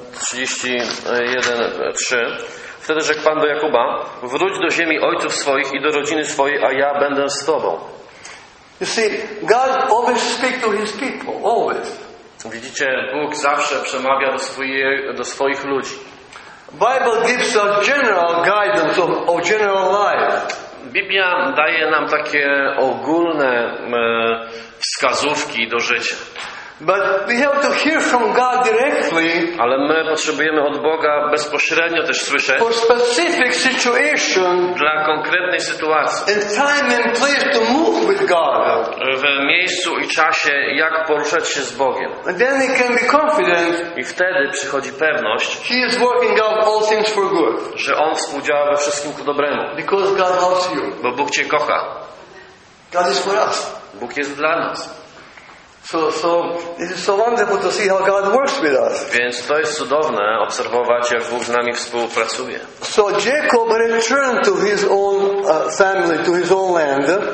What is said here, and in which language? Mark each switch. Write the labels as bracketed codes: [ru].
[pl] 31:3. Wtedy rzekł Pan do Jakuba: wróć do ziemi ojców swoich i do rodziny swojej, a ja będę z tobą. [en] You see, God always speaks to his people, always. [pl] Widzicie, Bóg zawsze przemawia do swoich ludzi. [en] Bible gives a general guidance of general life. [pl] Biblia daje nam takie ogólne wskazówki do życia. [en] But we have to hear from God directly. [pl] Ale my potrzebujemy od Boga bezpośrednio też słyszeć. [en] For specific situation. [pl] Dla konkretnej sytuacji. [en] And time and place to move with God. [pl] W miejscu i czasie, jak poruszać się z Bogiem. [en] And then he can be confident. [pl] I wtedy przychodzi pewność. [en] He is working out all things for good. [pl] Że on współdziała we wszystkim ku dobremu. [en] Because God loves you. [pl] Bo Bóg cię kocha. [en] God is for us. [pl] Bóg jest dla nas. [en] So it is so wonderful to see how God works with us. [pl] Więc to jest cudowne obserwować, jak Bóg z nami współpracuje. [en] So Jacob returned to his own family, to his own land.